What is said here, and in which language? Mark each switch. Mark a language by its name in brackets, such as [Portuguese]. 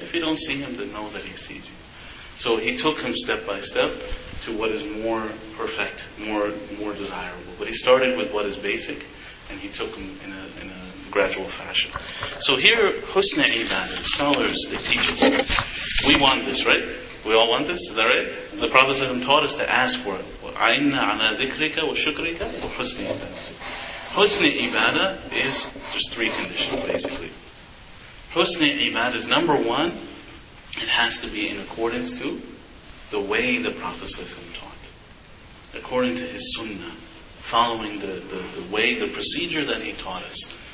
[English] If you don't see Him, then know that He sees you. So he took him step by step to what is more perfect, more desirable. But he started with what is basic, and he took him in a gradual fashion. So here, Husna Ibadah, scholars, it teaches. We want this, right? We all want this, is that right? The Prophet ﷺ taught us to ask for it. [Arabic] عَيْنَا عَلَى ذِكْرِكَ وَشُكْرِكَ وَحُسْنِ Ibadah. [English] Husna Ibadah is, there's three conditions, basically. Husna Ibadah is number one, it has to be in accordance to the way the Prophet ﷺ taught. According to his sunnah. Following the way, the procedure that he taught us.